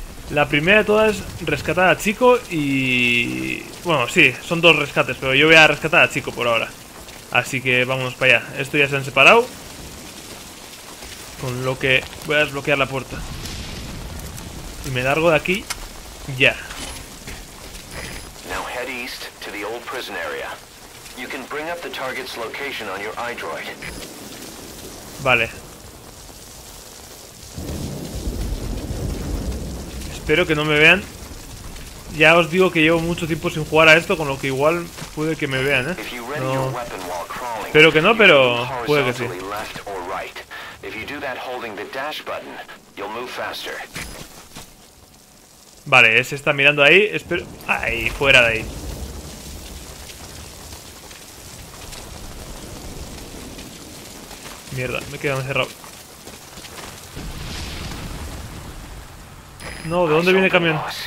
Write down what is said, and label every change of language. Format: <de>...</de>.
<es>La primera de todas es rescatar a Chico y... bueno, sí, son dos rescates, pero yo voy a rescatar a Chico por ahora. Así que vámonos para allá, esto ya se han separado. Con lo que... voy a desbloquear la puerta. Y me largo de aquí, ya. Ahora</es> <en>head east to the old prison area. You can bring up the target's location on your iDroid.</en> <es>Vale. Espero que no me vean. Ya os digo que llevo mucho tiempo sin jugar a esto, con lo que igual puede que me vean, ¿eh? No. Espero que no, pero puede que sí.</es> <en>Left or right. If you do that holding the dash button, you'll move faster.</en> <es>Vale, ese está mirando ahí. Espero... ¡ay! Fuera de ahí. Mierda, me he quedado encerrado. No, ¿de dónde viene el camión?</es>